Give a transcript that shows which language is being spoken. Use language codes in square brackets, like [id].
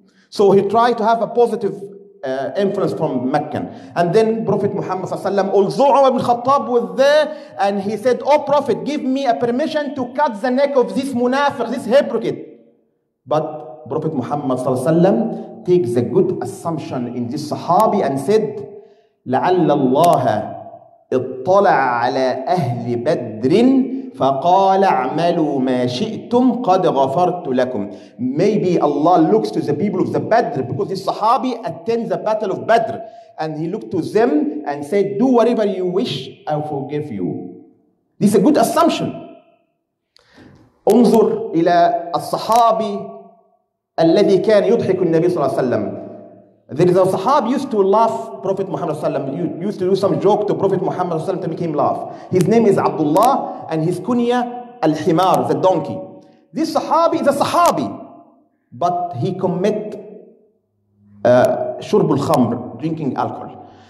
[en] So he tried to have a positive influence from Meccan. And then Prophet Muhammad sallallahu alaihi wasallam, Umar ibn Khattab was there, and he said, oh Prophet, give me a permission to cut the neck of this munafiq, this hypocrite. But Prophet Muhammad [ar] صلى الله عليه وسلم [en] takes the good assumption in this Sahabi and said, [ar] لعل الله اطلع على أهل بدر فقال اعملوا ما شئتم قد غفرت لكم. [en] Maybe Allah looks to the people of the Badr, because this Sahabi attend the battle of Badr, and he looked to them and said, do whatever you wish, I forgive you. This is a good assumption. [ar] انظر إلى الصحابي الذي كان يضحك النبي صلى الله عليه وسلم. [en] There is a Sahabi used to laugh Prophet Muhammad صلى الله عليه وسلم, used to do some joke to Prophet Muhammad صلى الله عليه وسلم to make him laugh. His name is Abdullah and his kunya Al-Himar, the donkey. This Sahabi is a Sahabi, but he commit [ar] شرب الخمر, [en] drinking alcohol.